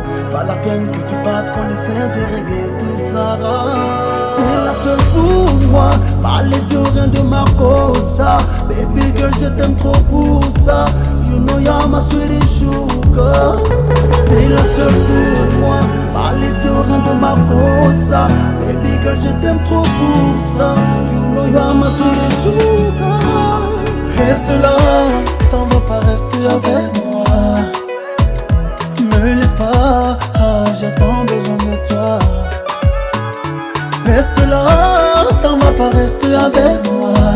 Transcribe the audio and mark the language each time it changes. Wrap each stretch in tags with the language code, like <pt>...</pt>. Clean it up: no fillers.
<fr>Pas la peine que tu battes, qu'on essaie de régler tout ça. T'es la seule pour moi, parlez Dieu, rien de ma cosa.</fr> <en>Baby girl,</en> <fr>je t'aime trop pour ça.</fr> <en>You know you're my sweetie sugar.</en> <fr>T'es la seule pour moi, parlez Dieu, rien de ma cosa.</fr> <en>Baby girl,</en> <fr>je t'aime trop pour ça.</fr> <en>You know you're my sweetie sugar.</en> <fr>Reste là, t'en vas pas rester avec moi. Me laisse pas, j'ai tant besoin de toi. Reste là, t'en vas pas rester avec moi.</fr>